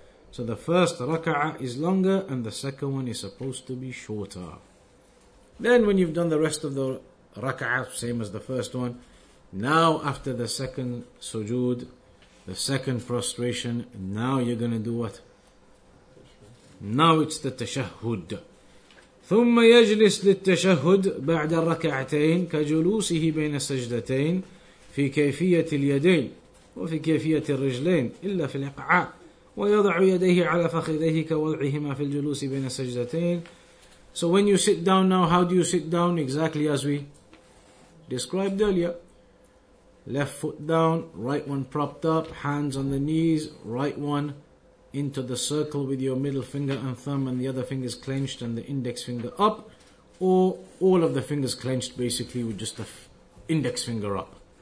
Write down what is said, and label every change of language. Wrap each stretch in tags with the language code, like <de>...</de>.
<en>So the first raka'ah is longer and the second one is supposed to be shorter. Then when you've done the rest of the raka'ah, same as the first one, now after the second sujood, the second prostration, now you're going to do what? Now it's the tashahhud.</en> <ar>ثم يجلس للتشهد بعد الركعتين كجلوسه بين السجدتين في كيفية اليدين وفي كيفية الرجلين إلا في الإقعاء ويضع يديه على فخذيه كوضعهما في الجلوس بين السجدتين.</ar> <en>So when you sit down now, how do you sit down exactly as we described earlier? Left foot down, right one propped up, hands on the knees, right one into the circle with your middle finger and thumb and the other fingers clenched and the index finger up, or all of the fingers clenched basically with just the index finger up.</en>